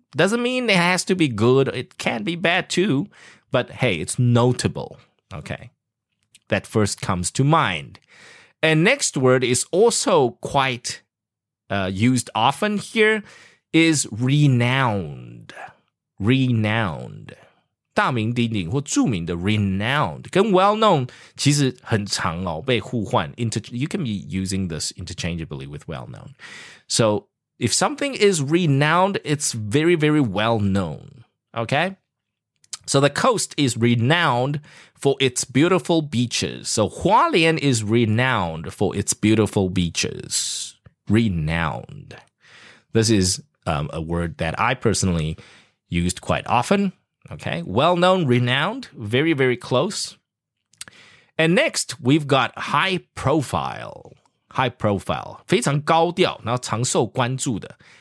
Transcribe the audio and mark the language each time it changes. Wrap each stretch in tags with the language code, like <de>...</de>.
<en>Doesn't mean it has to be good. It can be bad too. But hey, it's notable. Okay. That first comes to mind. And next word is also quite used often here, is renowned. Renowned.</en> <zh>大名鼎鼎或著名的 renowned. 跟 well-known 其实很常哦被互换</zh> <en>You can be using this interchangeably with well-known. So if something is renowned, it's very, very well-known. Okay? So the coast is renowned for its beautiful beaches. So Hualien is renowned for its beautiful beaches. Renowned. This is a word that I personally used quite often. Okay, well-known, renowned, very, very close. And next, we've got high profile. High profile.</en> <zh>非常高调，然后常受关注的。</zh>